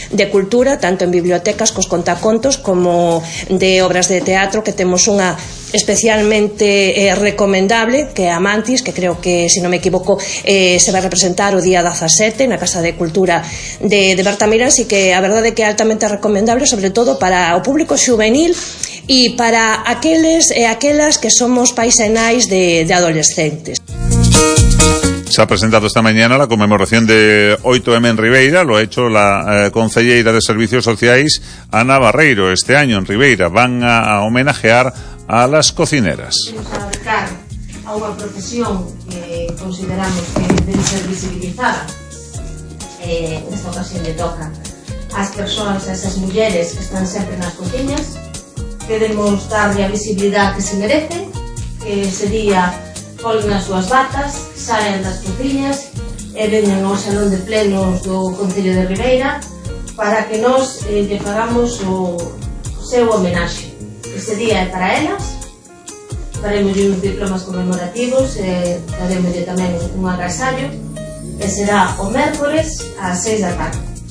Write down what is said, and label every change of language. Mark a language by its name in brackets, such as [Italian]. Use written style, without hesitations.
[Galician] cultura, tanto en bibliotecas, cos contacontos, como de obras de teatro, que temos unha especialmente recomendable, que é a Mantis, que creo que, se non me equivoco, se vai representar o día 17 na Casa de Cultura de Bertamirán, así que a verdade que é altamente recomendable, sobre todo para o público juvenil e para aqueles e aquelas que somos pais e nais de adolescentes. [Spanish] Se ha presentado esta mañana la conmemoración de 8M en Ribeira. Lo ha hecho la concelleira de Servicios Sociais, Ana Barreiro. Este año en Ribeira van a homenajear a las cocineras. Vamos a dedicar a una profesión que consideramos que debe ser visibilizada. En esta ocasión le toca a las personas, a esas mujeres que están siempre en las cocinas, que debemos darle la visibilidad que se merecen, que sería [Galician] colgan as súas batas, saen das cociñas e veñan ao salón de plenos do Concello de Ribeira para que nos lle fagamos o seu homenaxe. Este día é para elas, daremos uns diplomas conmemorativos e daremos tamén un agasallo, que será o mércores ás 6 da tarde.